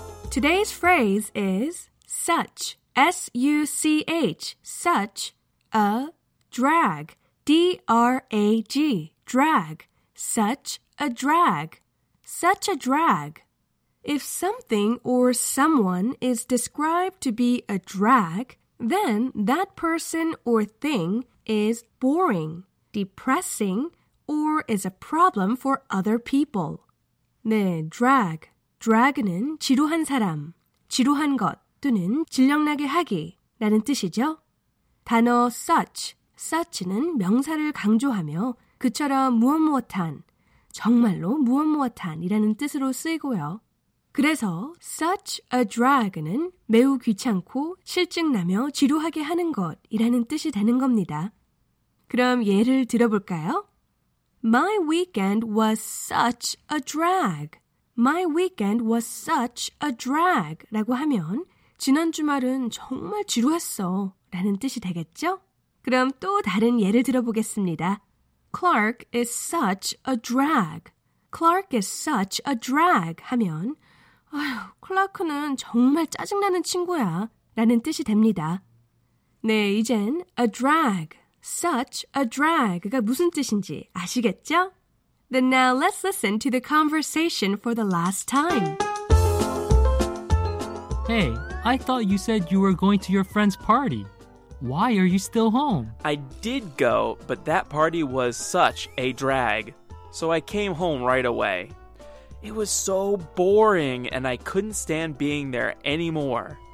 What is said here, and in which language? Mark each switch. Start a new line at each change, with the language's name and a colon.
English: 'Today's phrase is such, S-U-C-H, such a drag, D-R-A-G, drag, such a drag, such a drag. If something or someone is described to be a drag, then that person or thing is boring, depressing, or is a problem for other people.
Korean: 네, drag. Drag는 지루한 사람, 지루한 것 또는 질력나게 하기 라는 뜻이죠. 단어 such, such는 명사를 강조하며 그처럼 무엇무엇한, 정말로 무엇무엇한이라는 뜻으로 쓰이고요. 그래서 such a drag는 매우 귀찮고 실증나며 지루하게 하는 것이라는 뜻이 되는 겁니다. 그럼 예를 들어볼까요?
English: My weekend was such a drag. My weekend was such a drag
Korean: 라고 하면 지난 주말은 정말 지루했어 라는 뜻이 되겠죠? 그럼 또 다른 예를 들어보겠습니다.
English: Clark is such a drag. Clark is such a drag
Korean: 하면 아휴, 클라크는 정말 짜증나는 친구야 라는 뜻이 됩니다. 네, 이젠 a drag, such a drag가 무슨 뜻인지 아시겠죠?
English: Then now let's listen to the conversation for the last time. Hey, I thought you said you were going to your friend's party. Why are you still home? I did go, but that party was such a drag. So I came home right away. It was so boring and I couldn't stand being there anymore.